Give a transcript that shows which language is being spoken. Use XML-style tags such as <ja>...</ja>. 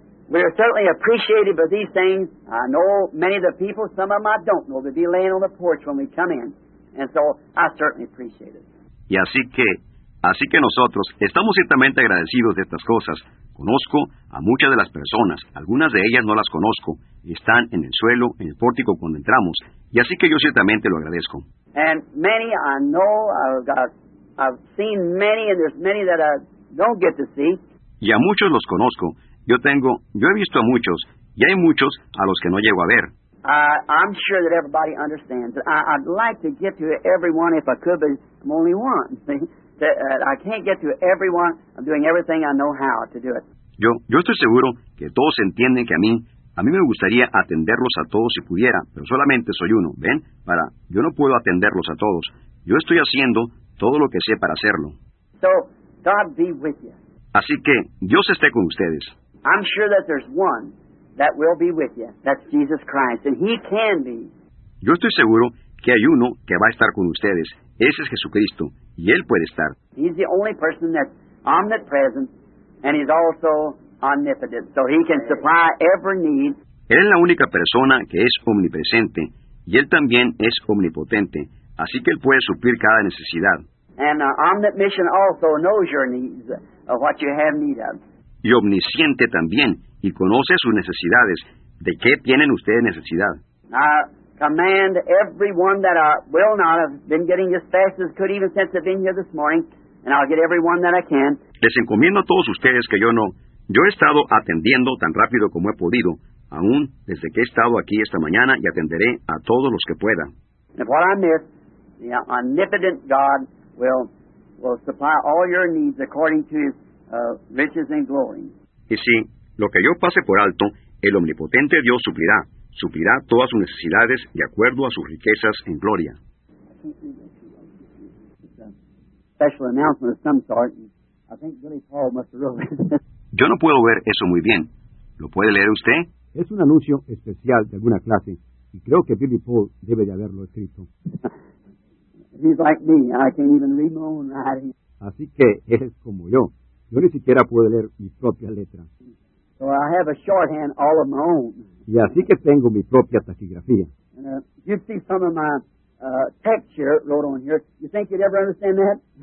<en>We're certainly appreciative of these things. I know many of the people, some of them I don't know, they'll be laying on the porch when we come in. And so I certainly appreciate it.</en> <es>Y así que nosotros estamos ciertamente agradecidos de estas cosas. Conozco a muchas de las personas, algunas de ellas no las conozco. Están en el suelo, en el pórtico cuando entramos. Y así que yo ciertamente lo agradezco.</es> <en>And many I know, I've seen many, and there's many that I don't get to see.</en> <es>Y a muchos los conozco. Yo he visto a muchos, y hay muchos a los que no llego a ver.</es> <en>I'm sure that everybody understands. I'd like to get to everyone if I could, but I'm only one. I can't get to everyone. I'm doing everything I know how to do it.</en> <es>Yo estoy seguro que todos entienden que a mí me gustaría atenderlos a todos si pudiera, pero solamente soy uno, ¿ven? Yo no puedo atenderlos a todos. Yo estoy haciendo todo lo que sé para hacerlo.</es> <en>So, God be with you.</en> <es>Así que, Dios esté con ustedes.</es> <en>I'm sure that there's one that will be with you. That's Jesus Christ, and he can be.</en> <es>Yo estoy seguro que hay uno que va a estar con ustedes. Ese es Jesucristo, y él puede estar.</es> <en>He's the only person that's omnipresent, and he's also omnipotent, so he can supply every need.</en> <es>Él es la única persona que es omnipresente, y él también es omnipotente, así que él puede suplir cada necesidad.</es> <en>And omniscient also knows your needs, what you have need of.</en> <es>Y omnisciente también, y conoce sus necesidades. ¿De qué tienen ustedes necesidad?</es> <en>I command everyone that I will not have been getting as fast as could even since I've been here this morning, and I'll get everyone that I can.</en> <es>Les encomiendo a todos ustedes que yo he estado atendiendo tan rápido como he podido, aún desde que he estado aquí esta mañana, y atenderé a todos los que pueda.</es> <en>And what I miss, the omnipotent God will supply all your needs according to his riches and glory.</en> <es>Y si lo que yo pase por alto, el omnipotente Dios suplirá todas sus necesidades de acuerdo a sus riquezas en gloria.</es> <en>Special announcement of some sort. I think Billy Paul must have wrote it.</en> <es>Yo no puedo ver eso muy bien. ¿Lo puede leer usted? Es un anuncio especial de alguna clase, y creo que Billy Paul debe de haberlo escrito.</es> <en>He's like me. I can't even read my own writing.</en> <es>Así que él es como yo. Yo ni siquiera puedo leer mi propia letra.</es> <en>So I have a shorthand all of my own.</en> <es>Y así que tengo mi propia taquigrafía.</es> <en>And you see some of my texture wrote on here. You think you'd ever understand that?</en>